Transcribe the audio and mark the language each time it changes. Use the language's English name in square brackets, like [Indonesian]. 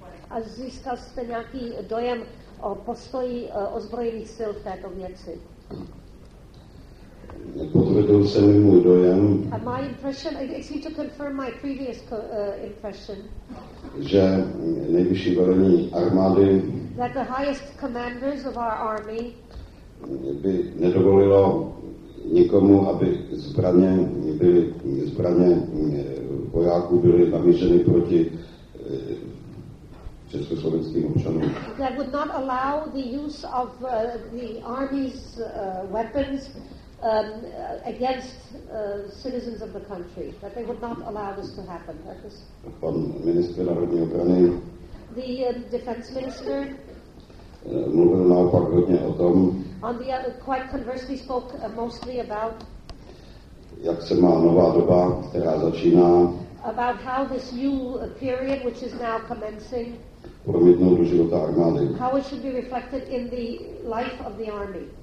[Czech] A získal jste nějaký dojem o postoji ozbrojených sil v této věci? Potvrdil se mi můj dojem. [English] And my impression, it seemed to confirm my previous impression. [Czech] Že nejvyšší velení armády, [English] that the highest commanders of our army, [Czech] by nedovolilo nikomu, aby zbraně vojáků byly namířeny proti československým občanům. [English] That would not allow the use of the army's weapons against citizens of the country. That they would not allow this to happen. [Czech] Pan ministr národní obrany, [English] the defense minister, [Czech] mluvil naopak hodně o tom, [English] on the other, quite conversely spoke mostly about, [Czech] jak se má nová doba, která začíná, [English] about how this new period, which is now commencing, [Czech] promítnout do života armády. [English] How it should be reflected in the life of the army.